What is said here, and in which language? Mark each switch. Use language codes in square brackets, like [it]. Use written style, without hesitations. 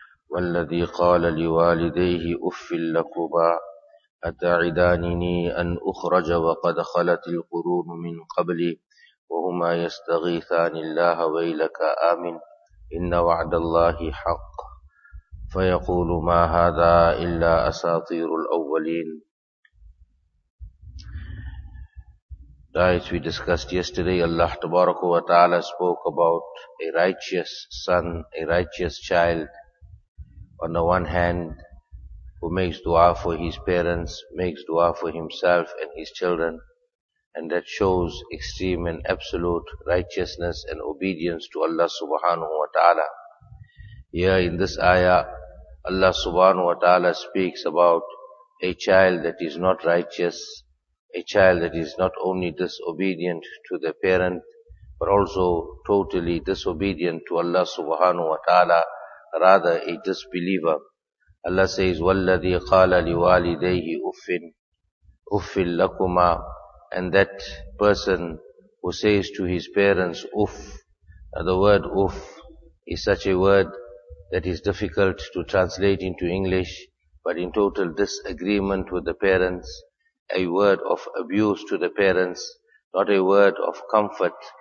[ar] والذي قال لوالديه أف لكما أتعدانني أن أخرج وقد خلت القرون من قبلي وهما يستغيثان الله ويلك آمن إن وعد الله حق فيقول ما هذا إلا أساطير الأولين. [en] As we discussed yesterday, Allah Tabaraka wa Ta'ala spoke about a righteous son, a righteous child, on the one hand, who makes dua for his parents, makes dua for himself and his children, and that shows extreme and absolute righteousness and obedience to Allah Subhanahu wa Ta'ala. Here in this ayah, Allah Subhanahu wa Ta'ala speaks about a child that is not righteous, a child that is not only disobedient to the parent, but also totally disobedient to Allah Subhanahu wa Ta'ala, rather a disbeliever. Allah says, [ar] وَالَّذِي قَالَ لِوَالِدَيْهِ أُفٍّ أُفٍّ لَكُمَا. [en] And that person who says to his parents, uff. Now the word uff is such a word that is difficult to translate into English, but in total disagreement with the parents, a word of abuse to the parents, not a word of comfort.